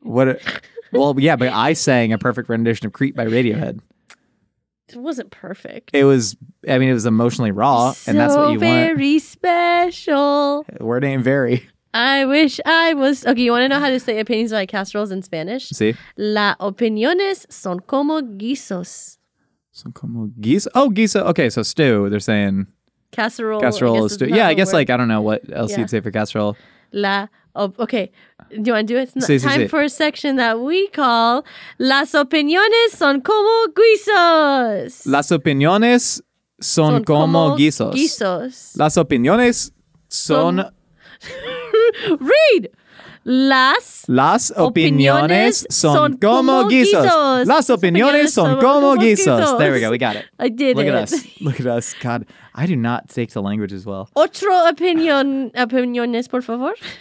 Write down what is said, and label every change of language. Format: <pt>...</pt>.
<en>Well, yeah, but I sang a perfect rendition of Creep by Radiohead. It wasn't perfect. It was, I mean, it was emotionally raw, and that's what you want. So very special. Word ain't very. I wish I was. Okay, you want to know how to say opinions about casseroles in Spanish?</en> <es>Sí. La opiniones son como guisos. Son como guiso. Oh, guiso.</es> <en>Okay, so stew, they're saying. Casserole. Casserole is stew. Yeah, I guess word. Like, I don't know what else you'd say for casserole. La okay, do you want to do it? It's time for a section that we call</en> <es>Las opiniones son como guisos. Las opiniones son como guisos. Guisos. Las opiniones son.</es> <en>Read.</en> <es>Las opiniones son como guisos. Las opiniones son como guisos.</es> <en>There we go. We got it. I did Look it. Look at us. Look at us. God, I do not take to language as well.</en> <es>Otro opiniones, por favor.</es>